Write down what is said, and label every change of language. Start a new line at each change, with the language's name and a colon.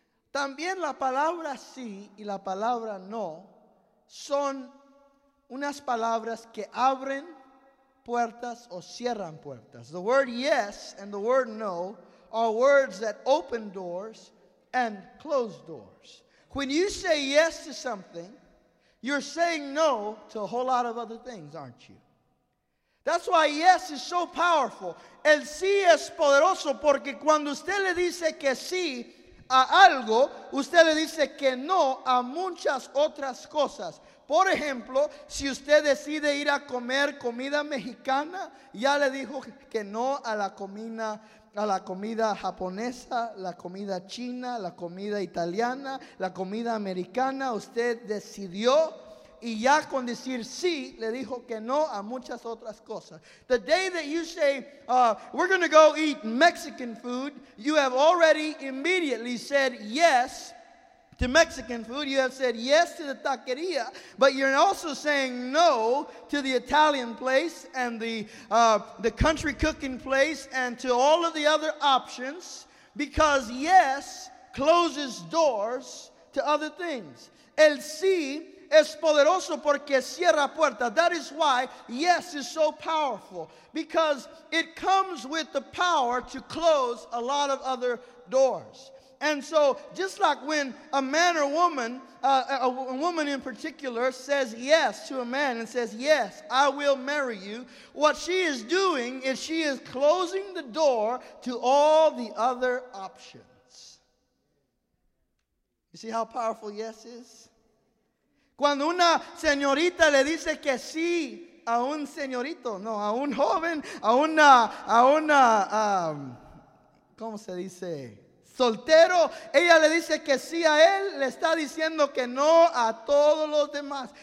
Spanish: También la palabra sí y la palabra no son unas palabras que abren puertas o cierran puertas.
English: The word yes and the word no are words that open doors and close doors. When you say yes to something, you're saying no to a whole lot of other things, aren't you? That's why yes is so powerful.
Spanish: El sí es poderoso porque cuando usted le dice que sí a algo, usted le dice que no a muchas otras cosas. Por ejemplo, si usted decide ir a comer comida mexicana, ya le dijo que no a la comida japonesa, la comida china, la comida italiana, la comida americana. Usted decidió y ya con decir sí, le dijo que no a muchas otras cosas.
English: The day that you say, we're going to go eat Mexican food, you have already immediately said yes to Mexican food. You have said yes to the taqueria, but you're also saying no to the Italian place and the country cooking place and to all of the other options, because yes closes doors to other things.
Spanish: El sí es poderoso porque cierra puertas.
English: That is why yes is so powerful, because it comes with the power to close a lot of other doors. And so, just like when a man or woman, a woman in particular, says yes to a man and says, yes, I will marry you, what she is doing is she is closing the door to all the other options. You see how powerful yes is?
Spanish: Cuando una señorita le dice que sí a un señorito, no, a un joven, a una, ¿cómo se dice? soltero, ella le dice que sí a él, le está diciendo que no a todos los demás.